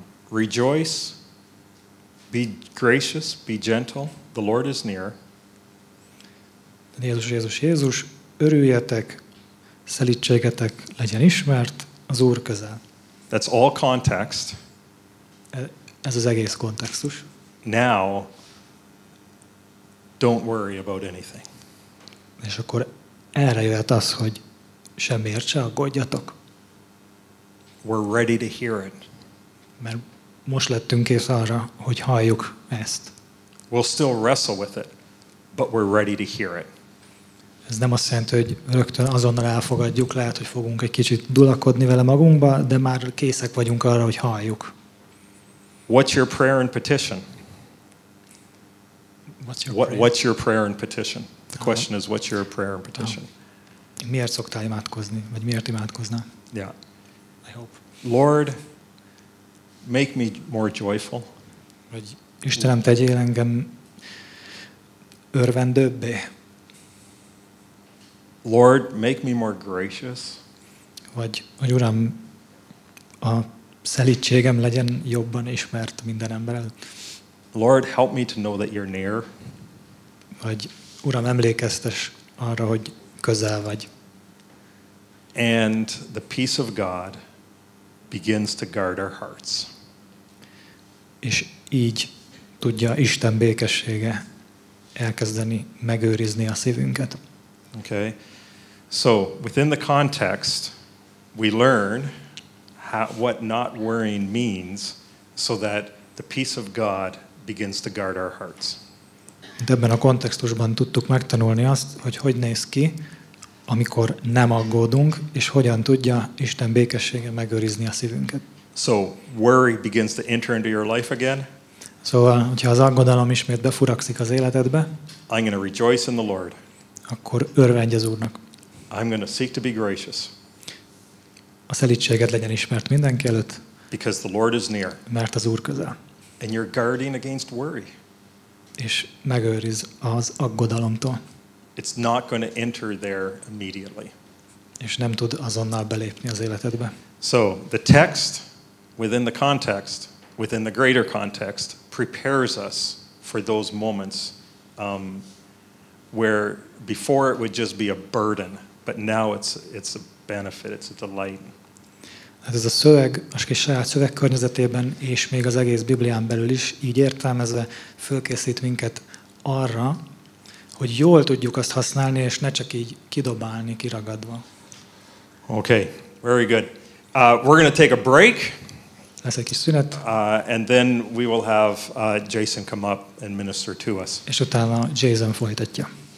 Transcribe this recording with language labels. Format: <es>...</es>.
<en>Rejoice. Be gracious, be gentle. The Lord is near.</en> <hu>Jézus, Jézus, Jézus, örüljetek, szelídségetek legyen ismert, az Úr közel.</hu> <en>That's all context.</en> <hu>Ez az egész kontextus.</hu> <en>Now, don't worry about anything.</en> <hu>És akkor erre jöhet az, hogy semmiért se aggódjatok.</hu> <en>We're ready to hear it.</en> <hu>Mert most lettünk kész arra, hogy halljuk ezt.</hu> <en>We'll still wrestle with it, but we're ready to hear it.</en> <hu>Ez nem azt jelenti, hogy rögtön azonnal elfogadjuk, lehet, hogy fogunk egy kicsit dulakodni vele magunkba, de már készek vagyunk arra, hogy halljuk.</hu> <en>What's your prayer and petition? What's your prayer and petition? The question is, what's your prayer and petition?</en> <hu>Miért szoktál imádkozni, vagy miért imádkoznál?</hu> <en>Yeah. I hope. Lord, make me more joyful.</en> <hu>Vagy Istenem, tegyél engem örvendőbbé.</hu> <en>Lord, make me more gracious.</en> <hu>Vagy Uram, a szelídségem legyen jobban ismert minden ember előtt.</hu> <en>Lord, help me to know that you're near.</en> <hu>Vagy Uram, emlékeztes arra, hogy közel vagy.</hu> <en>And the peace of God begins to guard our hearts.</en> <hu>És így tudja Isten békessége elkezdeni megőrizni a szívünket.</hu> <en>Okay. So, within the context, we learn what not worrying means so that the peace of God begins to guard our hearts.</en> <hu>Ebben a kontextusban tudtuk megtanulni azt, hogy néz ki, amikor nem aggódunk, és hogyan tudja Isten békessége megőrizni a szívünket.</hu> <en>So worry begins to enter into your life again.</en> <hu>Szóval, hogyha az aggodalom ismét befurakszik az életedbe,</hu> <en>I'm going to rejoice in the Lord.</en> <hu>Akkor örvendj az Úrnak.</hu> <en>I'm going to seek to be gracious.</en> <hu>A szelídséged legyen ismert mindenki előtt.</hu> <en>Because the Lord is near.</en> <hu>Mert az Úr közel.</hu> <en>And you're guarding against worry.</en> <hu>És megőriz az aggodalomtól.</hu> <en>It's not going to enter there immediately.</en> <hu>És nem tud azonnal belépni az életedbe.</hu> <en>So, the text within the context, within the greater context, prepares us for those moments where before it would just be a burden, but now it's a benefit, it's a delight.</en> <hu>Hát ez a szöveg, a kis saját szövegkörnyezetében és még az egész Biblián belül is így értelmezve fölkészít minket arra, hogy jól tudjuk azt használni, és ne csak így kidobálni, kiragadva.</hu> <en>Okay, very good. We're going to take a break.</en> <hu>Lesz egy kis szünet.</hu> <en>And then we will have Jason come up and minister to us.</en> <hu>És utána Jason folytatja.</hu>